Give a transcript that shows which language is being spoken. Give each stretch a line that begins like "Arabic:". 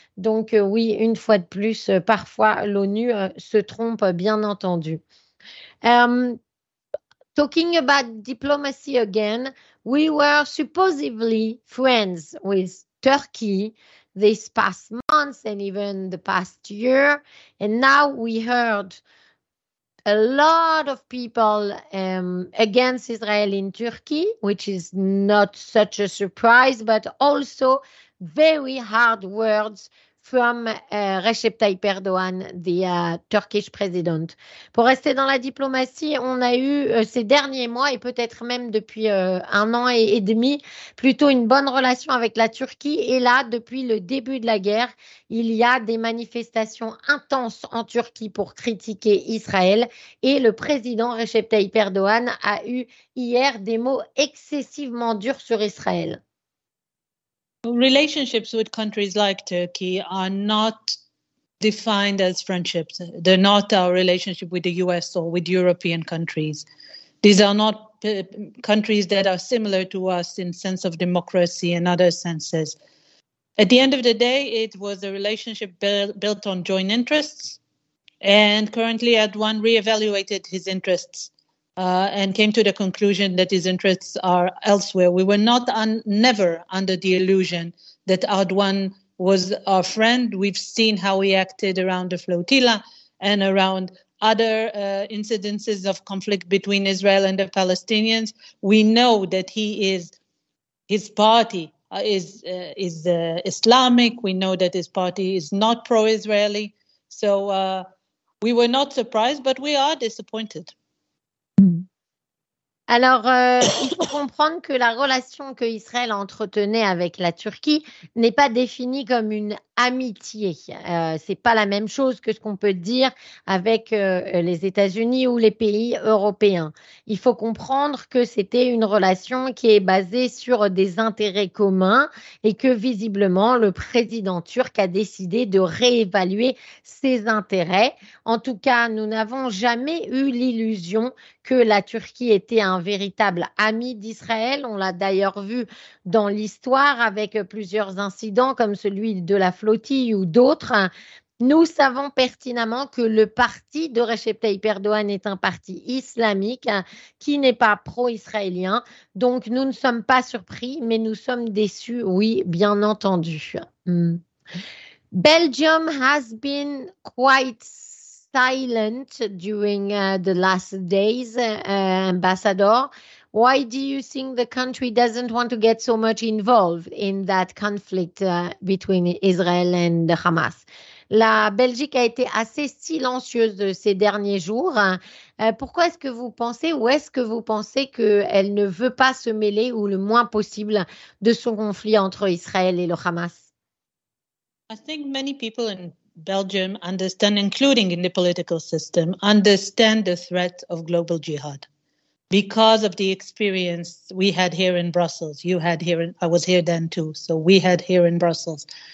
French: Donc oui, une fois de plus, parfois l'ONU se trompe, bien entendu.
English: Talking about diplomacy again, we were supposedly friends with Turkey this past month and even the past year. And now we heard a lot of people against Israel in Turkey, which is not such a surprise, but also very hard words from Recep Tayyip Erdogan, the Turkish president.
French: Pour rester dans la diplomatie, on a eu ces derniers mois, et peut-être même depuis un an et demi, plutôt une bonne relation avec la Turquie. Et là, depuis le début de la guerre, il y a des manifestations intenses en Turquie pour critiquer Israël. Et le président Recep Tayyip Erdogan a eu hier des mots excessivement durs sur Israël.
English: Relationships with countries like Turkey are not defined as friendships. They're not our relationship with the US or with European countries. These are not countries that are similar to us in sense of democracy and other senses. At the end of the day, it was a relationship built on joint interests. And currently, Erdogan reevaluated his interests and came to the conclusion that his interests are elsewhere. We were never under the illusion that Erdogan was our friend. We've seen how he acted around the flotilla and around other incidences of conflict between Israel and the Palestinians. We know that his party is Islamic. We know that his party is not pro-Israeli. So we were not surprised, but we are disappointed.
French: Alors, il faut comprendre que la relation que Israël entretenait avec la Turquie n'est pas définie comme une amitié. C'est pas la même chose que ce qu'on peut dire avec les États-Unis ou les pays européens. Il faut comprendre que c'était une relation qui est basée sur des intérêts communs et que visiblement le président turc a décidé de réévaluer ses intérêts. En tout cas, nous n'avons jamais eu l'illusion que la Turquie était un véritable ami d'Israël. On l'a d'ailleurs vu dans l'histoire avec plusieurs incidents comme celui de la flottille ou d'autres. Nous savons pertinemment que le parti de Recep Tayyip Erdogan est un parti islamique qui n'est pas pro-israélien. Donc, nous ne sommes pas surpris, mais nous sommes déçus, oui, bien entendu.
English: Belgium has been quite silent during the last days, Ambassador. Why do you think the country doesn't want to get so much involved in that conflict between Israel and Hamas?
French: La Belgique a été assez silencieuse ces derniers jours. Pourquoi est-ce que vous pensez ou est-ce que vous pensez qu'elle ne veut pas se mêler ou le moins possible de son conflit entre Israël et le Hamas?
English: I think many people in Belgium understand, including in the political system, understand the threat of global jihad. Because of the experience we had here in Brussels, you had here, I was here then too, so we had here in Brussels.